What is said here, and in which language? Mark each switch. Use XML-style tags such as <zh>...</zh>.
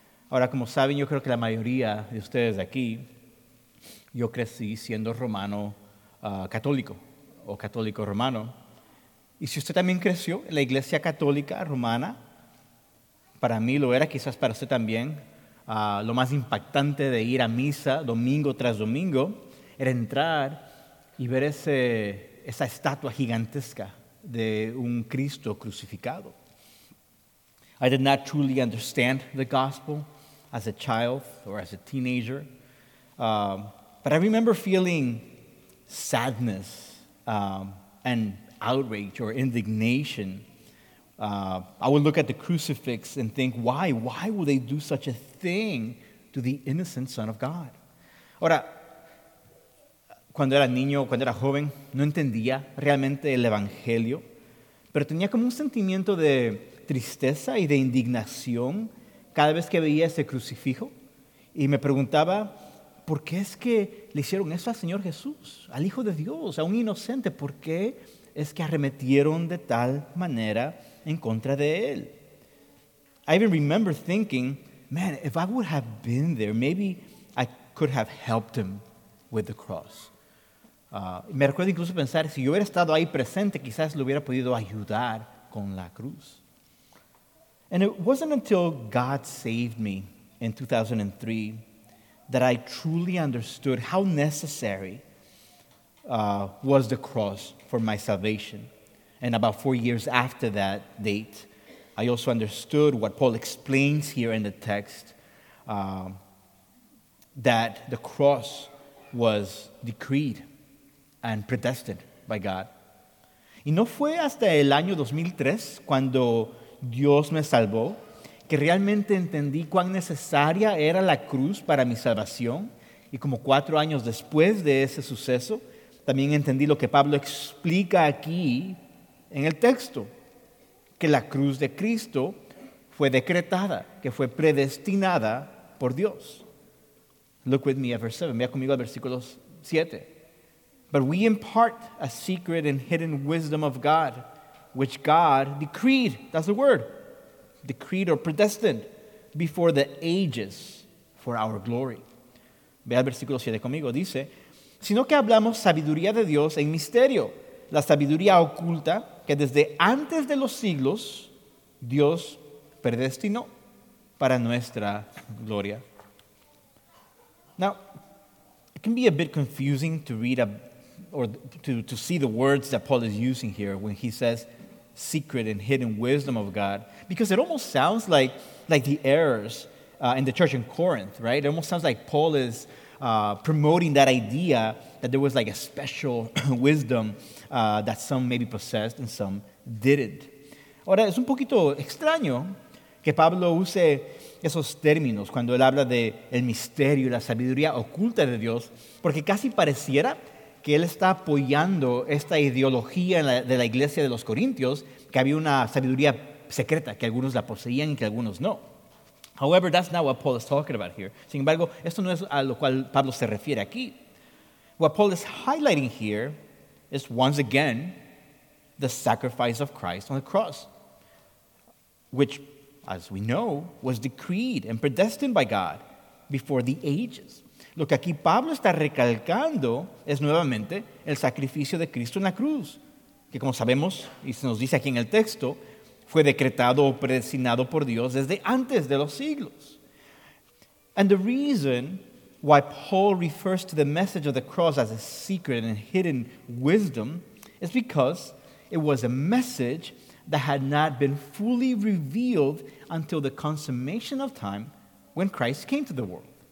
<es>Ahora, como saben, yo creo que la mayoría de ustedes aquí, yo crecí siendo romano católico o católico romano. Y si usted también creció en la iglesia católica romana, para mí lo era, quizás para usted también, lo más impactante de ir a misa domingo tras domingo era entrar y ver esa estatua gigantesca de un Cristo crucificado.</es> <en>I did not truly understand the gospel as a child or as a teenager. But I remember feeling sadness and outrage or indignation. I would look at the crucifix and think, why? Why would they do such a thing to the innocent Son of God?</en> <es>Ahora, cuando era niño, cuando era joven, no entendía realmente el Evangelio, pero tenía como un sentimiento de tristeza y de indignación cada vez que veía ese crucifijo y me preguntaba, ¿por qué es que le hicieron eso al Señor Jesús, al Hijo de Dios, a un inocente? ¿Por qué es que arremetieron de tal manera en contra de él?</es> <en>I even remember thinking, man, if I would have been there, maybe I could have helped him with the cross.</en> <es>Me recuerdo incluso pensar, si yo hubiera estado ahí presente, quizás lo hubiera podido ayudar con la cruz.</es> <en>And it wasn't until God saved me in 2003 that I truly understood how necessary was the cross for my salvation. And about 4 years after that date, I also understood what Paul explains here in the text, that the cross was decreed and predestined by God.</en> <es>Y no fue hasta el año 2003, cuando Dios me salvó, que realmente entendí cuán necesaria era la cruz para mi salvación. Y como 4 años después de ese suceso, también entendí lo que Pablo explica aquí en el texto, que la cruz de Cristo fue decretada, que fue predestinada por Dios.</es> <en>Look with me at verse 7.</en> <es>Vea conmigo al versículo 7.</es> <en>But we impart a secret and hidden wisdom of God, which God decreed, that's the word, decreed or predestined before the ages for our glory.</en> <es>Vea el versículo 7 conmigo, dice, sino que hablamos sabiduría de Dios en misterio, la sabiduría oculta que desde antes de los siglos Dios predestinó para nuestra gloria.</es> <en>Now, it can be a bit confusing to read to see the words that Paul is using here when he says secret and hidden wisdom of God, because it almost sounds like the errors in the church in Corinth, right? It almost sounds like Paul is promoting that idea that there was like a special wisdom that some maybe possessed and some didn't.</en> <es>Ahora, es un poquito extraño que Pablo use esos términos cuando él habla de el misterio y la sabiduría oculta de Dios, porque casi pareciera que él está apoyando esta ideología de la iglesia de los corintios, que había una sabiduría secreta, que algunos la poseían y que algunos no.</es> <en>However, that's not what Paul is talking about here.</en> <es>Sin embargo, esto no es a lo cual Pablo se refiere aquí.</es> <en>What Paul is highlighting here is, once again, the sacrifice of Christ on the cross, which, as we know, was decreed and predestined by God before the ages.</en> <es>Lo que aquí Pablo está recalcando es nuevamente el sacrificio de Cristo en la cruz, que como sabemos y se nos dice aquí en el texto, fue decretado o predestinado por Dios desde antes de los siglos.</es> <en>And the reason why Paul refers to the message of the cross as a secret and hidden wisdom is because it was a message that had not been fully revealed until the consummation of time when Christ came to the world.</en>